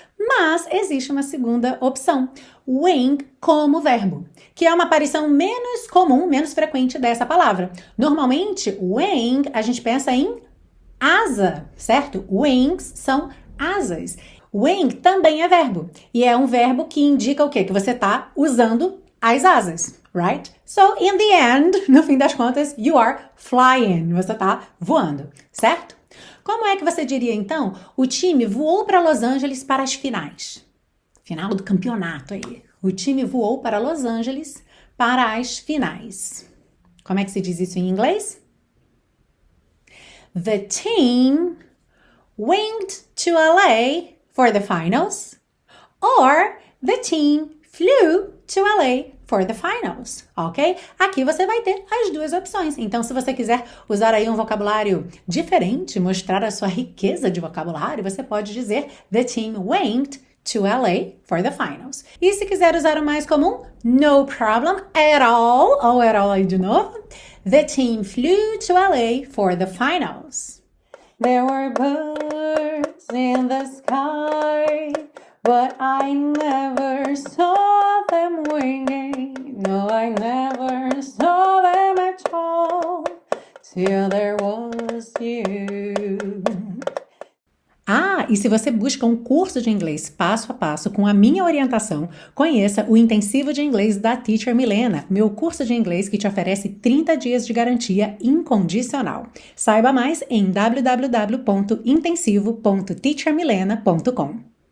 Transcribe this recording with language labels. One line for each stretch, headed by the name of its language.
Portuguese: Mas existe uma segunda opção, wing como verbo, que é uma aparição menos comum, menos frequente dessa palavra. Normalmente, wing, a gente pensa em asa, certo? Wings são asas. Wing também é verbo. E é um verbo que indica o quê? Que você está usando as asas.
English: Right? So, in the end,
Portuguese: no fim das contas,
English: you are flying.
Portuguese: Você tá voando, certo? Como é que você diria, então, o time voou para Los Angeles para as finais? Final do campeonato aí. O time voou para Los Angeles para as finais. Como é que se diz isso em inglês?
English: The team winged to LA for the finals. Or, the team flew to LA for the finals, ok?
Portuguese: Aqui você vai ter as duas opções. Então, se você quiser usar aí um vocabulário diferente, mostrar a sua riqueza de vocabulário, você pode dizer
English: the team winged to LA for the finals.
Portuguese: E se quiser usar o mais comum,
English: no problem at all,
Portuguese: ou at all aí de novo,
English: the team flew to LA for the finals. There were birds in the sky, but I never saw them winging. No, I never saw them at all, till there was you.
Portuguese: Ah, e se você busca um curso de inglês passo a passo com a minha orientação, conheça o Intensivo de Inglês da Teacher Milena, meu curso de inglês que te oferece 30 dias de garantia incondicional. Saiba mais em www.intensivo.teachermilena.com.